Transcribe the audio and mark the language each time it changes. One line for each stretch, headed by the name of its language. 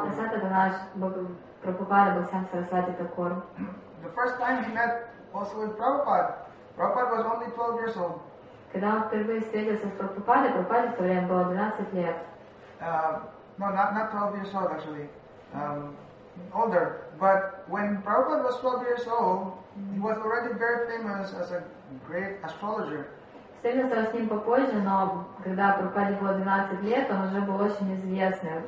Russian: Прасад — это наш Прабхупада Бхактисиддханта Сарасвати Такур.
English: The first time he met also with Prabhupada was only 12 years old.
Russian: Когда он впервые встретился с Прабхупадой, Прабхупаде в то время было 12 лет.
English: Not 12 years old, actually. Older, but when Prabhupada was 12 years old, he was already very famous as a great astrologer.
Russian: Встретился с ним попозже, но когда Прабхупаде было 12 лет, он уже был очень известный.